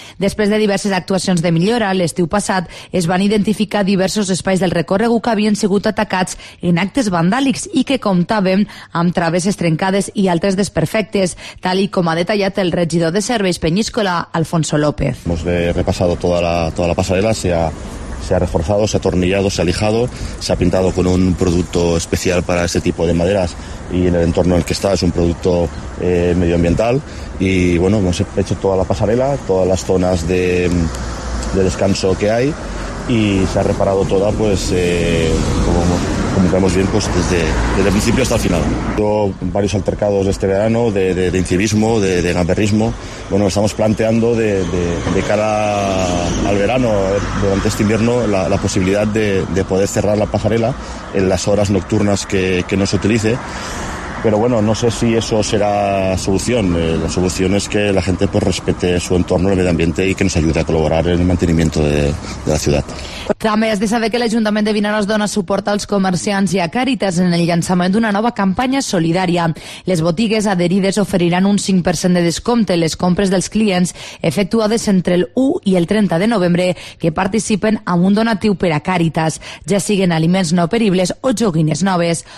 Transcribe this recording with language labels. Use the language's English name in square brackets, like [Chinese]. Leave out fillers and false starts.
[Catalan] Després de diverses actuacions de millora, l'estiu passat es van identificar diversos espais del recorregut que havien sigut atacats en actes vandàlics i que comptaven amb travesses trencades i altres desperfectes, tal i com ha detallat el regidor de serveis Peñíscola, Alfonso López. [Spanish] Hemos repasado toda la pasarela, se ha reforzado, se ha atornillado, se ha lijado, se ha pintado con un producto especial para este tipo de maderas y en el entorno en el que está es un producto medioambiental. Y bueno, hemos hecho toda la pasarela, todas las zonas de descanso que hay, y se ha reparado toda, pues como vemos bien, pues desde el principio hasta el final. Hubo varios altercados este verano de incivismo, de gamberrismo. Bueno, estamos planteando de cara al verano, durante este invierno, la posibilidad de poder cerrar la pasarela en las horas nocturnas que no se utilice. Pero bueno, no sé si eso será solución. La solución es que la gente pues respete su entorno, el medio ambiente, y que nos ayude a colaborar en el mantenimiento de la ciudad. [Catalan] També has de saber que l'Ajuntament de Vinaròs dona suport als comerciants i a Càritas en el llançament d'una nova campanya solidària. Les botigues adherides oferiran un 5% de descompte en les compres dels clients efectuades entre el 1 i el 30 de novembre que participen amb un donatiu per a Càritas, ja siguen aliments no peribles o joguines noves.